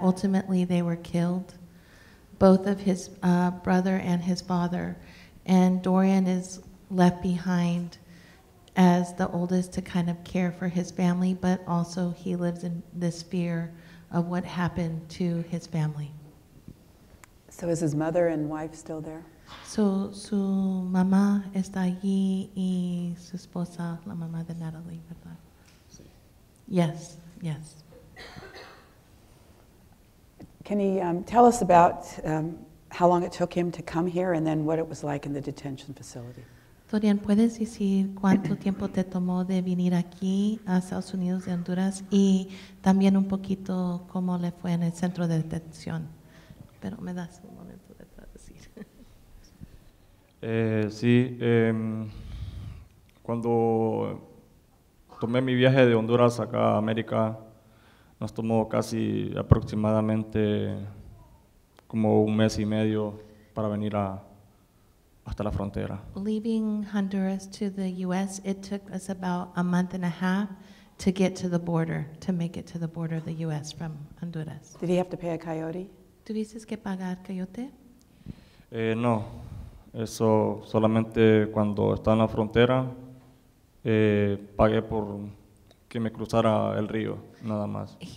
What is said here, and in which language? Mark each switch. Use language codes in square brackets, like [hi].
[en] Ultimately, they were killed, both of his brother and his father. And Dorian is left behind as the oldest to kind of care for his family, but also he lives in this fear of what happened to his family. So is his mother and wife still there? [es] So su mamá está allí y su esposa, la mamá de Natalie, ¿verdad? Sí. [en] Yes, yes. Can he tell us about how long it took him to come here and then what it was like in the detention facility? [es] Dorian, ¿puedes decir cuánto tiempo te tomó de venir aquí a Estados Unidos de Honduras y también un poquito cómo le fue en el centro de detención? Pero me das un momento de traducir. Sí, cuando tomé mi viaje de Honduras acá a América, nos tomó casi aproximadamente como un mes y medio para venir a hasta la frontera. [en] Leaving Honduras to the U.S., it took us about a month and a half to get to the border, to make it to the border of the U.S. from Honduras. Did he have to pay a coyote? [es] ¿Tuviste que pagar coyote? No, eso solamente cuando estaba en la frontera, pagué por que me cruzara el río, nada más.